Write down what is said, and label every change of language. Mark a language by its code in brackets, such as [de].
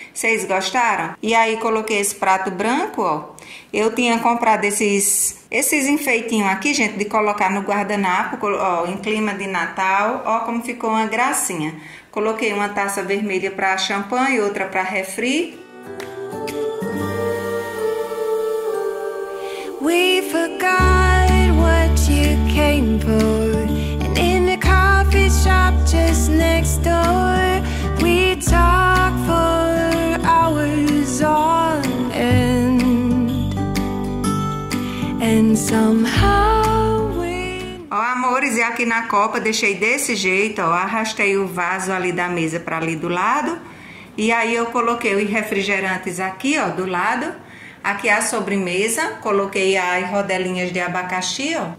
[pt] Vocês gostaram? E aí coloquei esse prato branco, ó. Eu tinha comprado esses enfeitinhos aqui, gente, de colocar no guardanapo, ó, em clima de Natal. Ó como ficou uma gracinha. Coloquei uma taça vermelha para champanhe e outra para refri. [en] We forgot what you came for. And in the coffee shop just next door, we talk for hours on end. And somehow we... [pt] Ó, amores, e aqui na copa deixei desse jeito, ó. Arrastei o vaso ali da mesa pra ali do lado. E aí eu coloquei os refrigerantes aqui, ó, do lado. Aqui a sobremesa, coloquei as rodelinhas de abacaxi, ó.